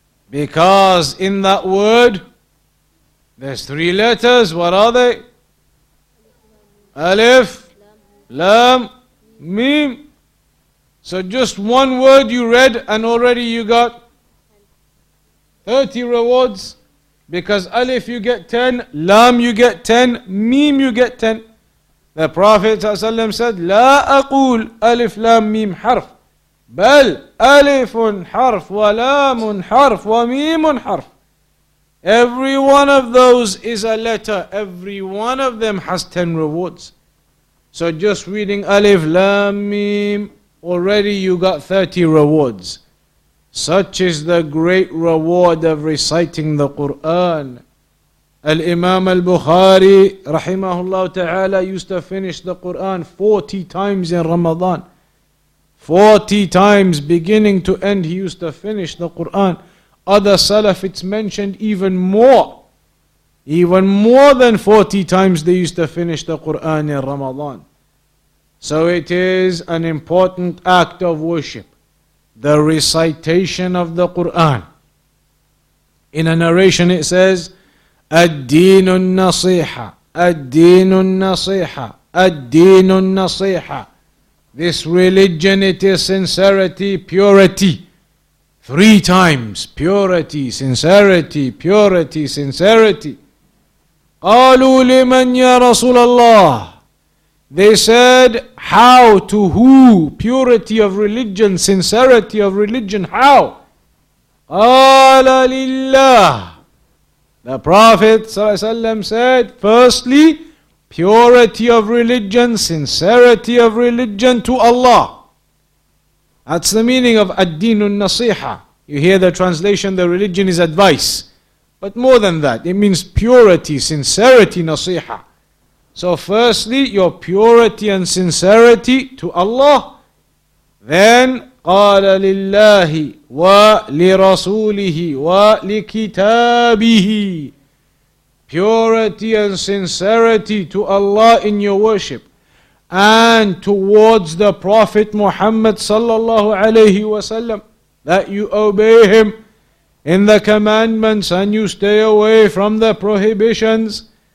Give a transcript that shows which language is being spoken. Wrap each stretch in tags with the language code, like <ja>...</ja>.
<en>Because in that word, there's three letters. What are they? Alif Lam Mim. So just one word you read and already you got 30 rewards. Because Alif you get 10, Lam you get 10, Mim you get 10. The Prophet ﷺ said,</en> <ar>لا أقول Alif Lam Mim حرف بل Alif حرف ولام حرف وميم حرف.</ar> <en>Every one of those is a letter. Every one of them has 10 rewards. So just reading Alif Lam Mim, already you got 30 rewards. Such is the great reward of reciting the Qur'an. Al-Imam al-Bukhari, rahimahullah ta'ala, used to finish the Qur'an 40 times in Ramadan. 40 times, beginning to end, he used to finish the Qur'an. Other salaf, it's mentioned even more. Even more than 40 times they used to finish the Qur'an in Ramadan. So it is an important act of worship. The recitation of the Qur'an. In a narration it says,</en> <ar>الدين النصيحة, الدين النصيحة, الدين النصيحة.</ar> <en>This religion, it is sincerity, purity. Three times, purity, sincerity, purity, sincerity.</en> <ar>قالوا لمن يا رسول الله.</ar> <en>They said, how, to who? Purity of religion, sincerity of religion, how?</en> <ar>قَالَ لِلَّهِ.</ar> <en>The Prophet ﷺ said, firstly, purity of religion, sincerity of religion to Allah. That's the meaning of</en> <ar>الدين النصيحة.</ar> <en>You hear the translation, the religion is advice. But more than that, it means purity, sincerity, نصيحة. So firstly, your purity and sincerity to Allah.</en> <ar>Then, قَالَ لِلَّهِ وَلِرَسُولِهِ وَلِكِتَابِهِ.</ar> <en>Purity and sincerity to Allah in your worship and towards the Prophet Muhammad sallallahu alayhi wasallam, that you obey him in the commandments and you stay away from the prohibitions.</en>